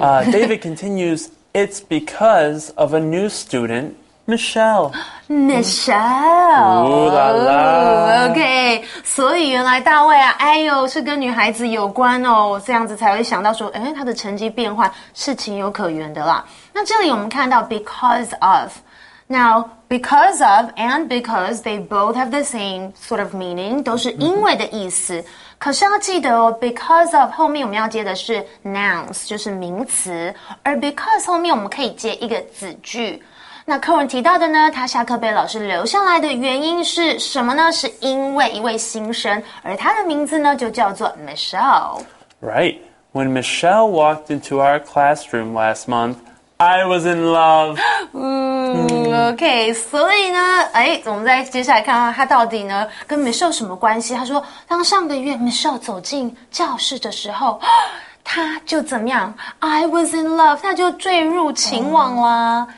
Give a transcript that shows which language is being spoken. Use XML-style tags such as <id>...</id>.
<en>David continues, it's because of a new student,Michelle. Ooh, la, la.</en> <zh>Okay, 所以原来大卫啊，哎呦，是跟女孩子有关哦，这样子才会想到说，哎，她的成绩变坏，是情有可原的啦。那这里我们看到 because of.</zh> <en>Now, because of and because, they both have the same sort of meaning,</en> <zh>都是因为的意思。可是要记得哦 ，because of 后面我们要接的是 nouns, 就是名词，而 because 后面我们可以接一个子句。那课文提到的呢他下课被老师留下来的原因是什么呢是因为一位新生而他的名字呢就叫做 Michelle.</zh> <en>Right. When Michelle walked into our classroom last month, I was in love.</en> <zh>Okay, 所以呢哎，我们再接下来看看他到底呢跟 Michelle 什么关系。他说当上个月 Michelle 走进教室的时候他就怎么样</zh> <en>I was in love,</en> <zh>他就坠入情网啦。</zh>